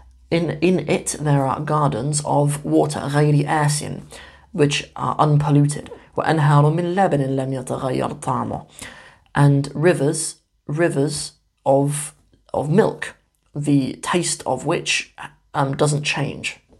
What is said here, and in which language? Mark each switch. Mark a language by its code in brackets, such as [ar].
[en] In it, there are gardens of water, [ar] غيري آسين, [en] which are unpolluted. [ar] وأنهار من لبن لم يتغير طعمه. [en] And rivers of milk, the taste of which doesn't change.